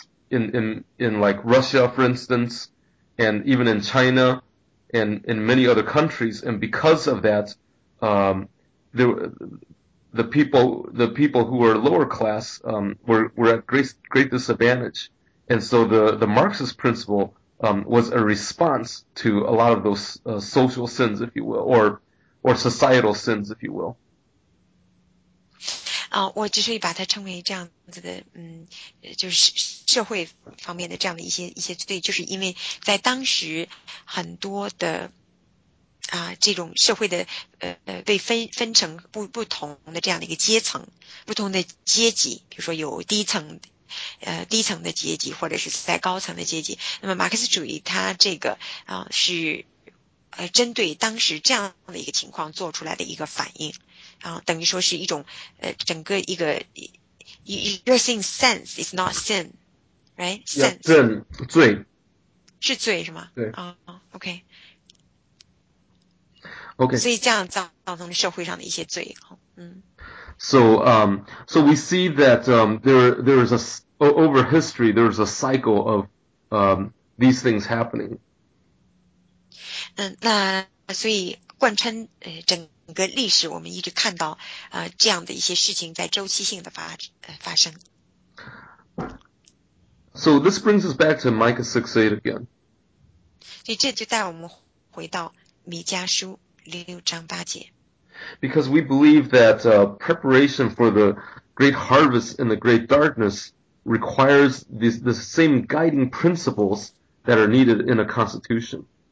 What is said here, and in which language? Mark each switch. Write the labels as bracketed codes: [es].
[en] in like Russia, for instance, and even in China and in many other countries, and because of that, the people who were lower class were at great disadvantage. And so the Marxist principle was a response to a lot of those social sins, if you will, or societal sins, if you will. [zh] 我只是把它称为这样子的，就是社会方面的这样的一些罪，就是因为在当时很多的这种社会的被分成不同的这样的一个阶层，不同的阶级，比如说有低层的阶级，或者是在高层的阶级。那么马克思主义它这个是针对当时这样的一个情况做出来的一个反应。等于说是一种，整个一个， [en] you're saying sense is not Yeah, sin，right？sense [zh] 正罪。是罪是吗？对。 OK。 Okay. 所以这样造成社会上的一些罪。 [en] So we see that there is a over history there is a cycle of these things happening. [zh] 那所以贯穿整个历史，我们一直看到这样的一些事情在周期性的发生。 [en] So this brings us back to Micah 6:8 again. [zh] 所以这就带我们回到米迦书6:8节。 [en] Because we believe that preparation for the great harvest and the great darkness requires the same guiding principles that are needed in a constitution.